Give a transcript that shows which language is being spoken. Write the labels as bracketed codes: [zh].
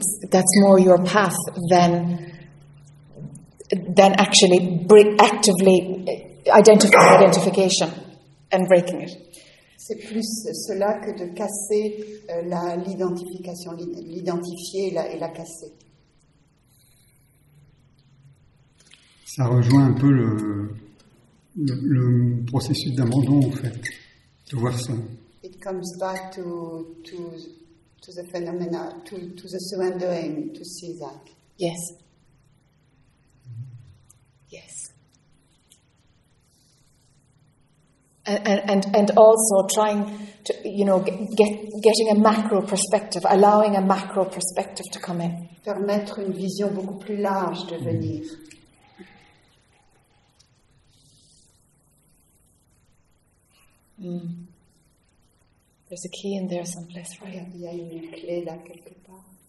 [en] That's more your path than actually actively identification and breaking it. [fr] C'est plus cela que de casser l'identification, l'identifier et la casser. Ça rejoint un peu le processus d'abandon, en fait, de voir ça. [en] It comes back to the phenomena, to the surrendering, to see that. Yes. And also trying to, you know, getting a macro perspective, allowing a macro perspective to come in. [fr] Permettre une vision beaucoup plus large de venir. [en] There's a key in there someplace, right? [fr] Il y a une clé là quelque part.